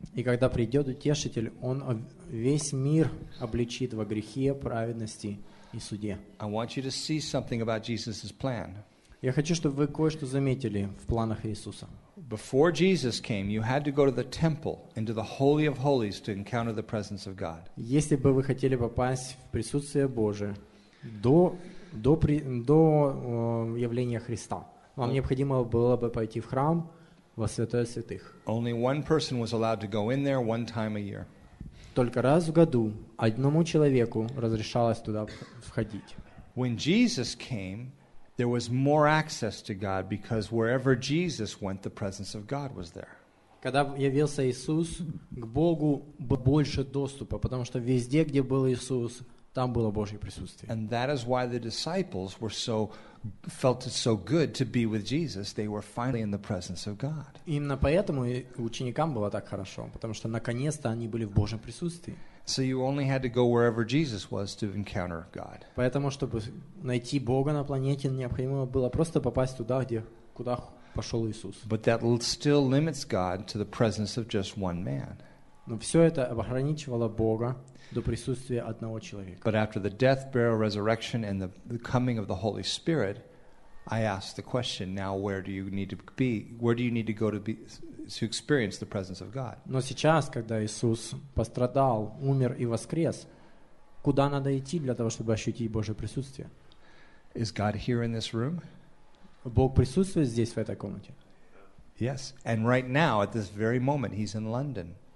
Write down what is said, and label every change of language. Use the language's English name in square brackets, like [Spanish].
[Russian] И когда придет утешитель, он весь мир обличит во грехе, праведности и суде. [English] I want you to see something about Jesus's plan. [Russian] Я хочу, чтобы вы кое-что заметили в планах Иисуса. [English] Before Jesus came, you had to go to the temple, into the Holy of Holies, to encounter the presence of God. [Russian] Если бы вы хотели попасть в присутствие Божие до явления Христа, вам необходимо было бы пойти в храм во святое святых. [English] Only one person was allowed to go in there one time a year. [Russian] Только раз в году одному человеку разрешалось туда входить. [English] When Jesus came, there was more access to God because wherever Jesus went, the presence of God was there. [Russian] Когда явился Иисус, к Богу было больше доступа, потому что везде, где был Иисус, там было Божье присутствие. [English] And that is why the disciples were so felt it so good to be with Jesus. They were finally in the presence of God. [Russian] Именно поэтому ученикам было так хорошо, потому что наконец-то они были в Божьем присутствии. [English] So you only had to go wherever Jesus was to encounter God. [Russian] Поэтому чтобы найти Бога на планете, необходимо было просто попасть туда, где куда пошел Иисус. [English] But that still limits God to the presence of just one man. [Russian] Но все это ограничивало Бога до присутствия одного человека. [English] But after the death, burial, resurrection, and the coming of the Holy Spirit, I ask the question: now, where do you need to be? Where do you need to go to experience the presence of God? [Russian] Но сейчас, когда Иисус пострадал, умер и воскрес, куда надо идти для того, чтобы ощутить Божье присутствие? [English] Is God here in this room? [Russian] Бог присутствует здесь, в этой комнате? [English] Yes. And right now, at this very moment, He's in London.